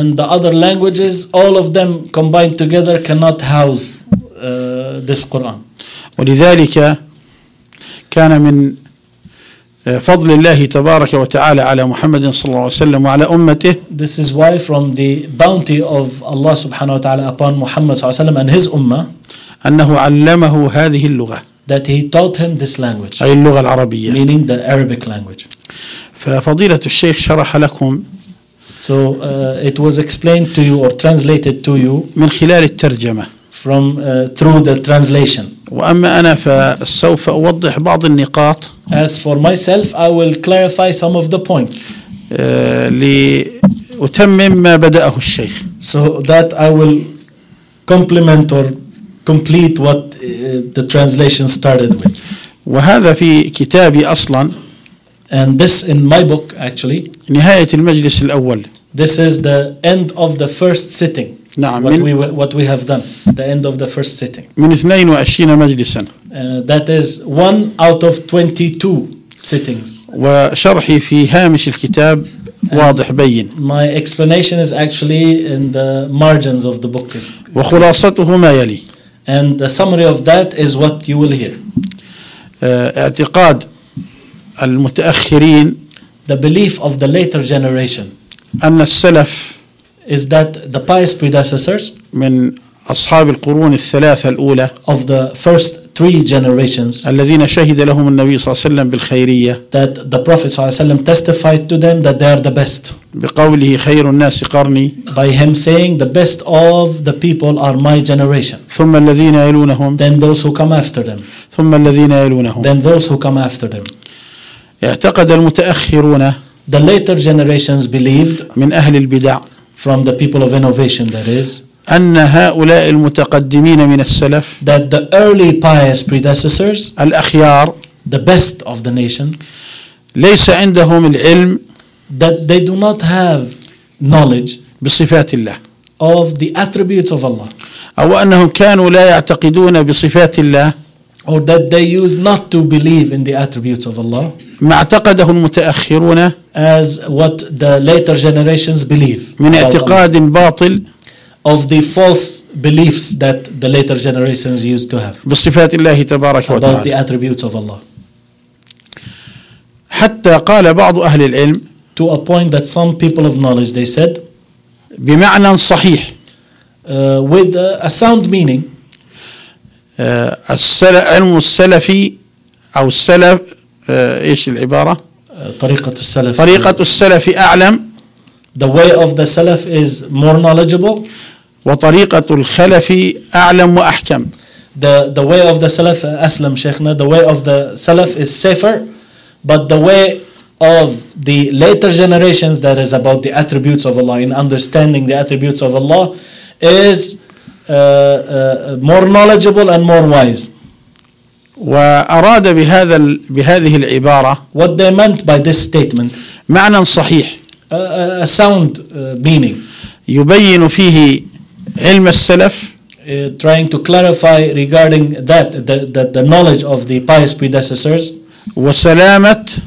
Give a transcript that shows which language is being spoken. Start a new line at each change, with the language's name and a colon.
English: And the other languages, all of them combined together, cannot house this Quran.
Arabic: ولذلك كان من فضل الله تبارك وتعالى على محمد صلى الله عليه وسلم وعلى أمته.
English: This is why from the bounty of Allah سبحانه وتعالى upon Muhammad صلى الله عليه وسلم and his ummah.
Arabic: أنه علمه هذه اللغة.
English: That he taught him this language.
Arabic: أي اللغة العربية.
English: Meaning the Arabic language.
Arabic: ففضيلة الشيخ شرح لكم.
English: So it was explained to you or translated to you.
Arabic: من خلال الترجمة.
English: From through the translation.
Arabic: وأما أنا فسوف أوضح بعض النقاط.
English: As for myself, I will clarify some of the points.
Arabic: لأتمم ما بدأه الشيخ.
English: So that I will complement or complete what the translation started with.
Arabic: وهذا في كتابي أصلاً.
English: And this in my book actually.
Arabic: نهاية المجلس الأول.
English: This is the end of the first sitting.
Arabic: نعم.
English: What we have done. The end of the first sitting.
Arabic: من 22 مجلساً.
English: That is one out of 22 sittings.
Arabic: وشرحي في هامش الكتاب واضح بين.
English: My explanation is actually in the margins of the book.
Arabic: وخلاصته ما يلي.
English: And the summary of that is what you will hear.
Arabic: اعتقاد المتأخرين.
English: The belief of the later generation.
Arabic: أن السلف.
English: Is that the pious predecessors.
Arabic: من أصحاب القرون الثلاثة الأولى.
English: Of the first three generations.
Arabic: الذين شهد لهم النبي صلى الله عليه وسلم بالخيرية.
English: That the Prophet صلى الله عليه وسلم testified to them that they are the best.
Arabic: بقوله خير الناس قرني.
English: By him saying the best of the people are my generation.
Arabic: ثم الذين يلونهم.
English: Then those who come after them.
Arabic: ثم الذين يلونهم.
English: Then those who come after them.
Arabic: اعتقد المتأخرون.
English: The later generations believed.
Arabic: من أهل البدع.
English: From the people of innovation that is.
Arabic: أن هؤلاء المتقدمين من السلف.
English: That the early pious predecessors.
Arabic: الأخيار.
English: The best of the nation.
Arabic: ليس عندهم العلم.
English: That they do not have knowledge.
Arabic: بصفات الله.
English: Of the attributes of Allah.
Arabic: أو أنهم كانوا لا يعتقدون بصفات الله.
English: Or that they used not to believe in the attributes of Allah.
Arabic: ما اعتقده المتأخرون.
English: As what the later generations believe.
Arabic: من اعتقاد باطل.
English: Of the false beliefs that the later generations used to have.
Arabic: بصفات الله تبارك وتعالى.
English: About the attributes of Allah.
Arabic: حتى قال بعض أهل العلم.
English: To a point that some people of knowledge they said.
Arabic: بمعنى صحيح.
English: With a sound meaning.
Arabic: علم السلفي أو السلف إيش العبارة؟ طريقة السلف. طريقة السلف أعلم.
English: The way of the salaf is more knowledgeable.
Arabic: وطريقة الخلف أعلم وأحكم.
English: The way of the salaf
Arabic: أسلم شيخنا.
English: The way of the salaf is safer, but the way of the later generations that is about the attributes of Allah in understanding the attributes of Allah is more knowledgeable and more wise.
Arabic: وأراد بهذا بهذه العبارة.
English: What they meant by this statement.
Arabic: معنى صحيح.
English: A sound meaning.
Arabic: يبين فيه علم السلف.
English: Trying to clarify regarding that the knowledge of the pious predecessors.
Arabic: وسلامة.